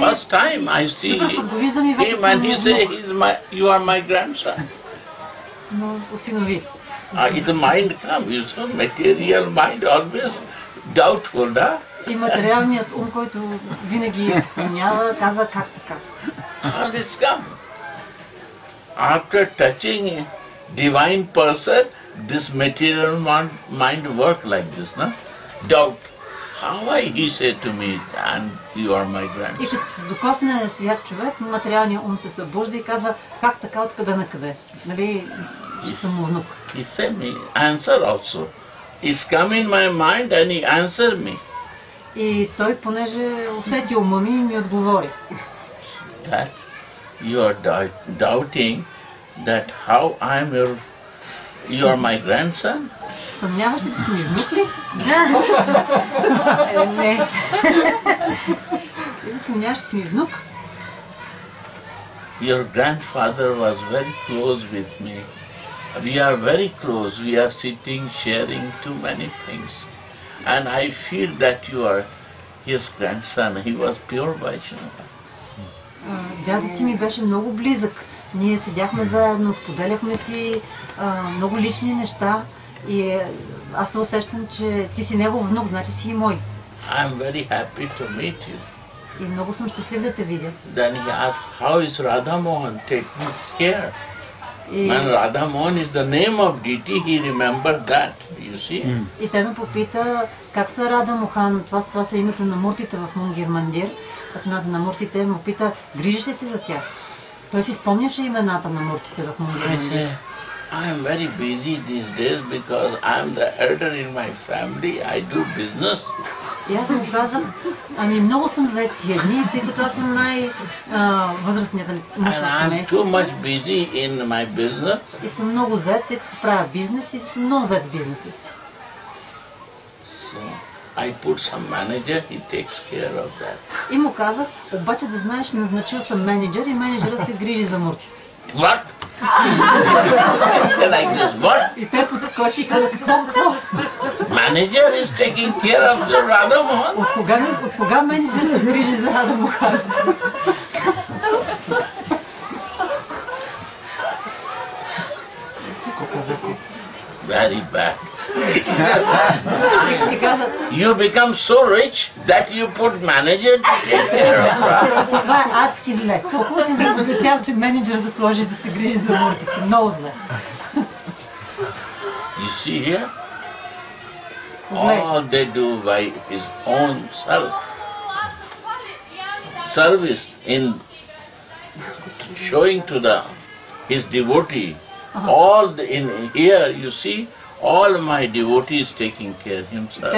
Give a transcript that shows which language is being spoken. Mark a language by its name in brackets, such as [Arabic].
[English] First time I see him and he says, you are my grandson. [Bulgarian] Но осинови. [English] His mind come, you saw, material mind always doubtful, да? [Bulgarian] И материалният ум, който винаги съмнява, каза как така. [English] How this come? After touching a divine person, this material mind work like this, no? Doubt. How I, he said to me, and you are my grandson. [Bulgarian] И като докосне свят човек, материалния ум се събужда и каза, как така, откъде накъде? Нали, съм внук. [English] He said me, answer also. It's come in my mind and he answered me. [Bulgarian] И той, понеже усети ума ми, ми отговори. [English] That you are doubting that how I am your, you are my grandson? [Bulgarian] Съмняваш ли, че си ми внук ли? Не. Ти се съмняваш, че си ми внук? [English] Your grandfather was very close with me. We are very close. We are sitting, sharing too many things. And I feel that you are his grandson. He was pure Vaishnava. [Bulgarian] Дядо ти ми беше много близък. Ние седяхме заедно, споделяхме си много лични неща и аз се усещам, че ти си негов внук, значи си и мой. [English] I'm very happy to meet you. [Bulgarian] И много съм щастлив да те видя. [English] Then he asked, how is Radha Mohan taking care? When Radha Mohan is the name of deity, he remembered that, you see. Mm. [Bulgarian] И той ме попита, как са Радха Мохан, това са името на муртите в Мунгир Мандир. Смята на муртите, ме попита, грижиш ли си за тях? Той си спомняше имената на муртите в Мунгир Мандир. [English] I say, I am very busy these days because I am the elder in my family, I do business. [Bulgarian] И аз му казах, ами много съм заед тия дни, тъй като аз съм най-възрастният мъж в семейството. [English] Too much busy in my business. [Bulgarian] И съм много заед, тъй като правя бизнес и съм много заед с бизнеса си. [English] So, I put some manager, he takes care of that. [Bulgarian] И му казах, обаче да знаеш, назначил съм менеджер и менеджерът се грижи за муртите. [English] What? Like this, what? [Bulgarian] И той подскочи и каза, какво? [English] Manager is taking care of the Radha [Bulgarian] Mohan. От кога менеджер се грижи за Радха Мохан? [English] Very bad. You become so rich that you put manager to take care of [Bulgarian] her. Това е адски зле. Толкова си забогатял, че менеджер да сложи да се грижи за муртите. Много зле. [English] You see here? All they do by his own self. Service in showing to the his devotee. All the, in here, you see, all my devotees taking care of himself.